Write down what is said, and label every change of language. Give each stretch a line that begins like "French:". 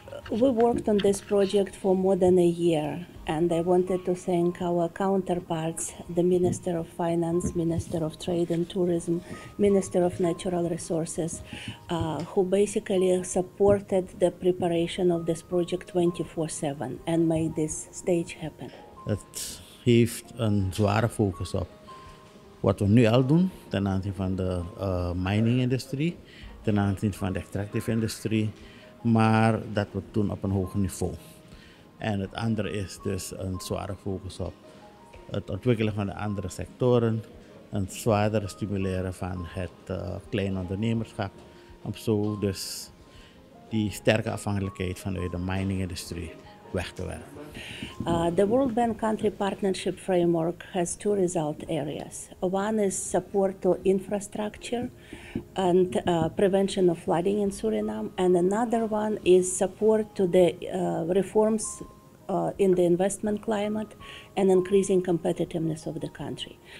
English: We worked on this project for more than a year, and I wanted to thank our counterparts, the Minister of Finance, Minister of Trade and Tourism, Minister of Natural Resources, who basically supported the preparation of this project 24/7 and made this stage happen.
Dutch: Het heeft een zware focus op wat we nu al doen ten aanzien van de mining industrie, ten aanzien van de extractive industrie, maar dat we doen op een hoger niveau. En het andere is dus een zware focus op het ontwikkelen van de andere sectoren, een zwaardere stimuleren van het klein ondernemerschap, om zo dus die sterke afhankelijkheid vanuit de miningindustrie weg te werken.
English: The World Bank Country Partnership Framework has two result areas. One is support to infrastructure and prevention of flooding in Suriname, and another one is support to the reforms in the investment climate and increasing competitiveness of the country.